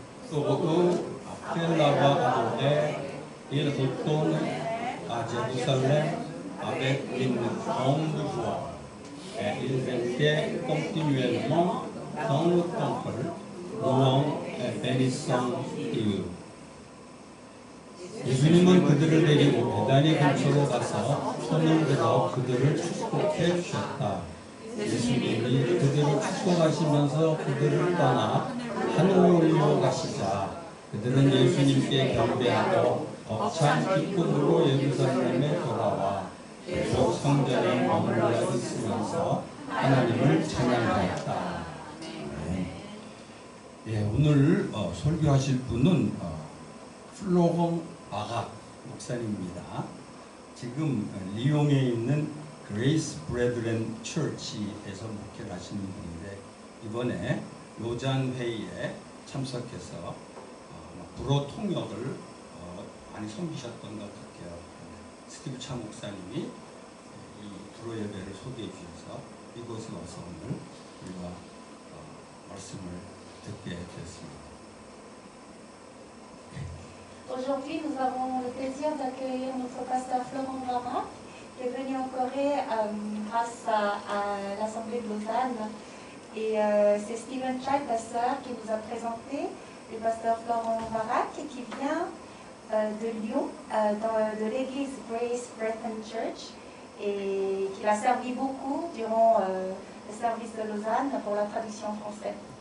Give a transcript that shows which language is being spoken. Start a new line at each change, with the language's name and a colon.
French: Pour eux, après l'avoir adoré, il retourne à Jérusalem avec une grande joie. Et il vêtait continuellement dans le temple, louant et bénissant Dieu.
Korean: 예수님은 그들을 데리고 베다니 근처로 가서 손을 들어 그들을 축복해 주셨다. 예수님이 그들을 축복하시면서 그들을 떠나 하늘로 가시자 그들은 예수님께 경배하고 벅찬 기쁨으로 예루살렘에 돌아와 계속 성전에 머물러 있으면서 하나님을 찬양하였다. 네. 예, 오늘 설교하실 분은 플로건 바각 목사님입니다. 지금 리옹에 있는 Grace Brethren Church에서 목회를 하시는 분인데 이번에 로잔 회의에 참석해서 불어 통역을 많이 섬기셨던 것 같아요. 스티브 차 목사님이 이 불어 예배를 소개해 주셔서 이곳에 와서 오늘 우리와 말씀을 듣게 됐습니다.
French: Aujourd'hui, nous avons le plaisir d'accueillir notre pasteur Florent Brama, qui est venu en Corée grâce à l'Assemblée de Lausanne. Et c'est Stephen Chai, pasteur, qui nous a présenté le pasteur Florent Barak, qui vient de Lyon, de l'église Grace Brethren Church, et qui l'a servi beaucoup durant le service de Lausanne pour la traduction française.